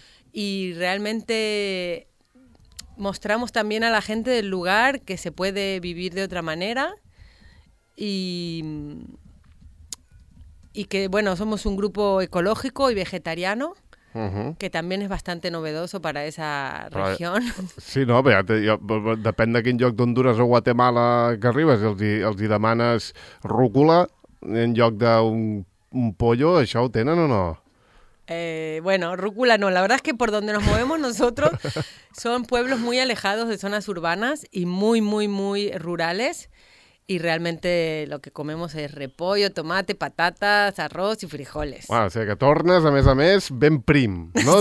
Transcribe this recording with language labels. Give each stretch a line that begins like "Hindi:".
Spanish: Y realmente mostramos también a la gente del lugar que se puede vivir de otra manera. Y que, bueno, somos un grupo ecológico y vegetariano, uh-huh. que también es bastante novedoso para esa región.
Catalan: Sí, no, però ja depèn de quin lloc d'Honduras o Guatemala que arribes, els hi demanes rúcula en lloc d'un pollo, això ho tenen o no?
Spanish: Bueno, rúcula no. La verdad es que por donde nos movemos nosotros son pueblos muy alejados de zonas urbanas y muy, muy, muy rurales. Y realmente lo que comemos es repollo, tomate, patatas, arroz y frijoles.
Catalan: Bueno,
Spanish: o sea que
Catalan: tornes, a més, ben prim, ¿no?